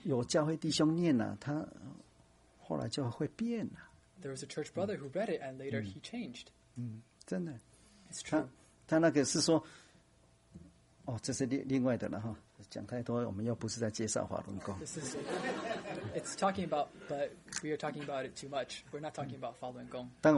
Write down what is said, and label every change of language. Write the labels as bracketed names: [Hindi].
[Chinese] 有教会弟兄念了，他后来就会变了。 [English] There was a church brother who read it, and later he changed. [Chinese] 真的。 [English] It's true. [Chinese] 他那个是说，哦，这是另外的了哈。讲太多，我们又不是在介绍法轮功。 [English] It's talking about, but we are talking about it too much. We're not talking about Falun Gong.